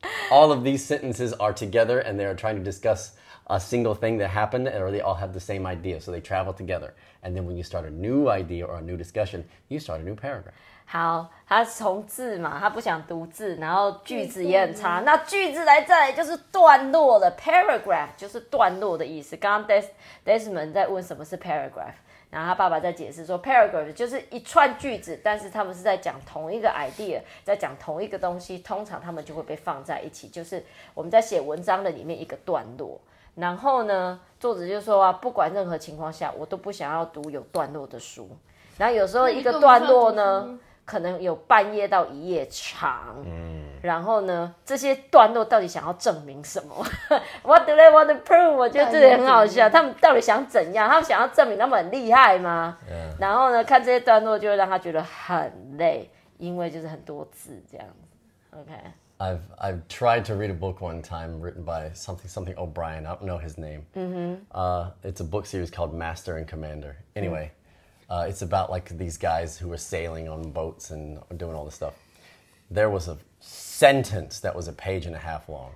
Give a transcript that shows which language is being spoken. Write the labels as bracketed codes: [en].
[en] All of these sentences are together and they are trying to discuss a single thing that happened, or they all have the same idea. So they travel together. And then when you start a new idea or a new discussion, you start a new paragraph. [zh] 好，他从字嘛，他不想读字，然后句子也很差。那句子来再来就是段落的 paragraph 就是段落的意思。刚刚 Desmond 在问什么是 paragraph。然后他爸爸在解释说 paragraph 就是一串句子，但是他们是在讲同一个 idea， 在讲同一个东西，通常他们就会被放在一起，就是我们在写文章的里面一个段落。然后呢，作者就说啊，不管任何情况下我都不想要读有段落的书，然后有时候一个段落呢可能有半页到一页长，然后呢这些段落到底想要证明什么？ [en] What do they want to prove？ [zh] 我觉得这也很好笑，他们到底想怎样？他们想要证明他们很厉害吗？ [en] Yeah. [zh] 然后呢看这些段落就会让他觉得很累，因为就是很多字这样。 [en] OK， I've tried to read a book one time written by something O'Brien. I don't know his name. It's a book series called Master and Commander. Anyway, it's about like these guys who are sailing on boats and doing all this stuff. There was a sentence that was a page and a half long.